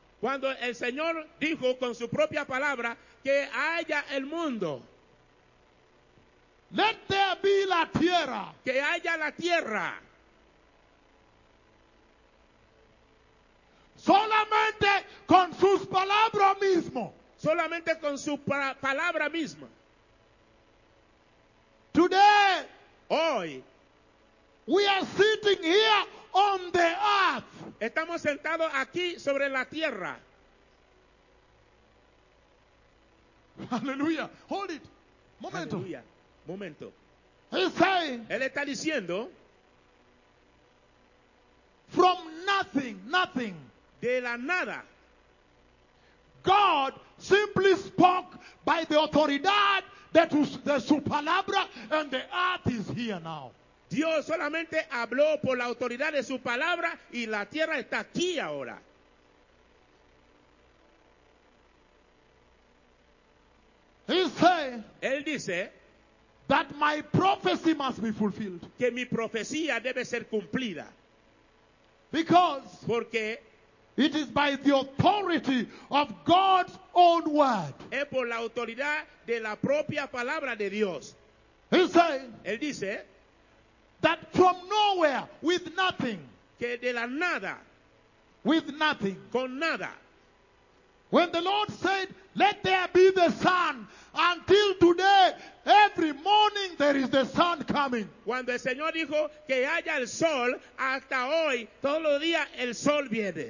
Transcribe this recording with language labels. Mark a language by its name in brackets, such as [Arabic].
[Spanish] Cuando el Señor dijo con su propia palabra, que haya el mundo. [English] Let there be [Spanish] la tierra. Que haya la tierra. Solamente con sus palabras mismo. Solamente con su palabra misma. [English] Today, [Spanish] hoy, [English] we are sitting here on the earth. [Spanish] Estamos sentados aquí sobre la tierra. [English] Hallelujah. Hold it. Momento. [Spanish] Hallelujah. Momento. [English] He's saying, [Spanish] él está diciendo, [English] from nothing. [Spanish] De la nada. [English] God simply spoke by the autoridad that was the [Spanish] su palabra, [English] and the earth is here now. [Spanish] Dios solamente habló por la autoridad de su palabra y la tierra está aquí ahora. [English] He said, [Spanish] él dice, [English] that my prophecy must be fulfilled. [Spanish] Que mi profecía debe ser cumplida. [English] Because, [Spanish] porque, [English] it is by the authority of God's own word. [Spanish] Es por la autoridad de la propia palabra de Dios. [English] He said, [Spanish] él dice, [English] that from nowhere, with nothing, [Spanish] que de la nada, [English] with nothing, [Spanish] con nada, [English] when the Lord said, let there be the sun, until today, every morning there is the sun coming. [Spanish] Cuando el Señor dijo que haya el sol, hasta hoy, todos los días el sol viene.